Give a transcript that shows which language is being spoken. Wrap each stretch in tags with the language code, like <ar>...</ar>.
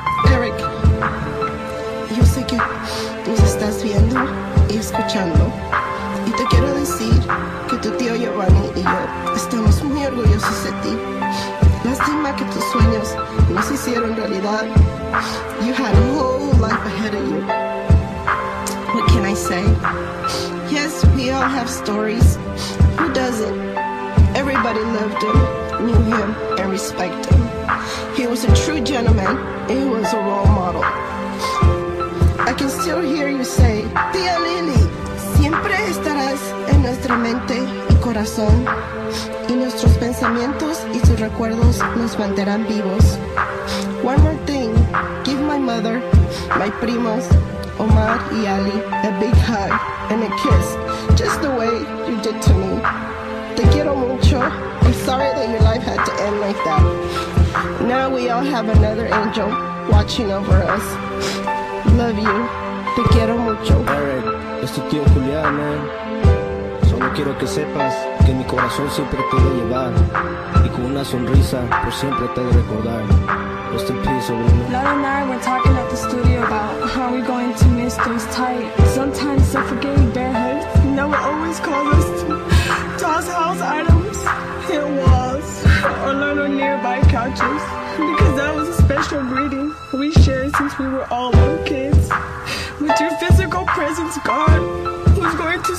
<es>Eric, yo sé que nos estás viendo y escuchando, y te quiero decir que tu tío Giovanni y yo estamos muy orgullosos de ti. Lástima que tus sueños no se hicieron realidad.</es> <en>You had a whole life ahead of you. What can I say? Yes, we all have stories. Who doesn't? Everybody loved him, knew him, and respected him. He was a true gentleman, and he was a role model. I can still hear you say, Tía Lily,</en> <es>siempre estarás en nuestra mente y corazón. Y nuestros pensamientos y sus recuerdos nos mantendrán vivos.</es> <en>One more thing, give my mother, my primos, Omar y Ali, a big hug and a kiss, just the way you did to me.</en> <es>Te quiero mucho,</es> <en>I'm sorry that your life had to end like that. Now we all have another angel watching over us. Love you,</en> <es>te quiero mucho. Eric, es tu tío Julián,</es> <en>man.</en> <es>Solo quiero que sepas que mi corazón siempre te va a llevar, y con una sonrisa por siempre te va a recordar.</es> <en>Rest in peace, sobrino. Lara and I were talking at the studio about how we're going to miss those tight, sometimes suffocating bare hugs. You know, it always calls us to toss house items, hit walls, or learn on nearby couches, because that was a special greeting we shared since we were all little kids. With your physical presence gone, who's going to</en>